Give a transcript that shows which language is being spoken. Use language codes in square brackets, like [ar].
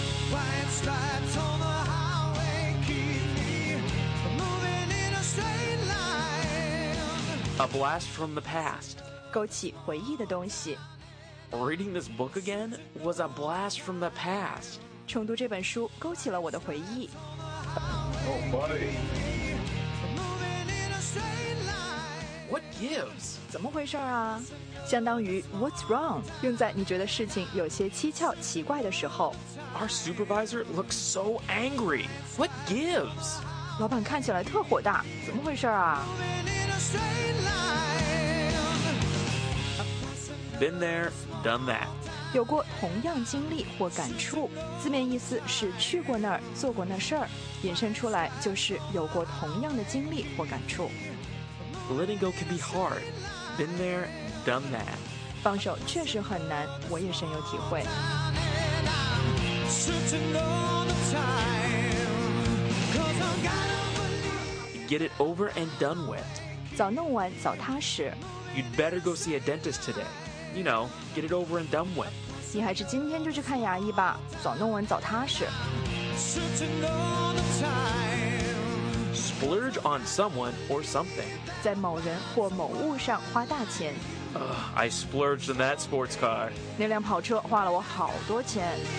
[en] White stripes on the highway keep me moving in a straight line. A blast from the past. [zh] 勾起回忆的东西。 [en] Reading this book again was a blast from the past. [zh] 重读这本书勾起了我的回忆。 [en] Oh, buddy. Moving in a straight line. What gives? [zh] 怎么回事啊？相当于 [en] what's wrong [zh] 用在你觉得事情有些蹊跷奇怪的时候。 [en] Our supervisor looks so angry. What gives? [zh] 老板看起来特火大，怎么回事啊？ [en] Been there, done that. [zh] 有过同样经历或感触，字面意思是去过那儿，做过那事儿，引申出来就是有过同样的经历或感触。 [en] Letting go can be hard. Been there,Done that. [zh] 放手确实很难，我也深有体会。 [en] Get it over and done with. [zh] 早弄完早踏实。 [en] You'd better go see a dentist today. You know, get it over and done with. [zh] 你还是今天就去看牙医吧，早弄完早踏实。 [en] Splurge on someone or something. [zh] 在某人或某物上花大钱。 [en] I splurged in that sports car. [zh] 那辆跑车花了我好多钱。